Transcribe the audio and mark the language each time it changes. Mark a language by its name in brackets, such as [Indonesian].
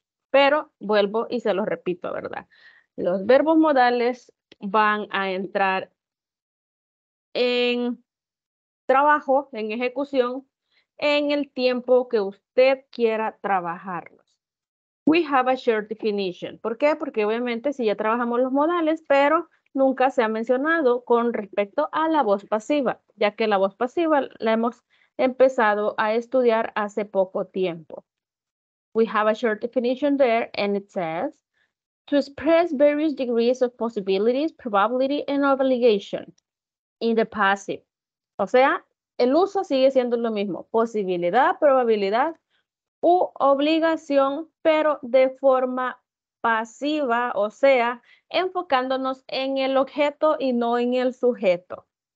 [Spanish] Pero vuelvo y se los repito, ¿verdad? Los verbos modales van a entrar en trabajo, en ejecución, en el tiempo que usted quiera trabajarlos. [English] We have a short definition. [Spanish] ¿Por qué? Porque obviamente si ya trabajamos los modales, pero nunca se ha mencionado con respecto a la voz pasiva, ya que la voz pasiva la hemos empezado a estudiar hace poco tiempo. [English] We have a short definition there and it says to express various degrees of possibilities, probability and obligation. In the passive. [Spanish] O sea, el uso sigue siendo lo mismo. Posibilidad, probabilidad u obligación, pero de forma pasiva, o sea, enfocándonos en el objeto y no en el sujeto.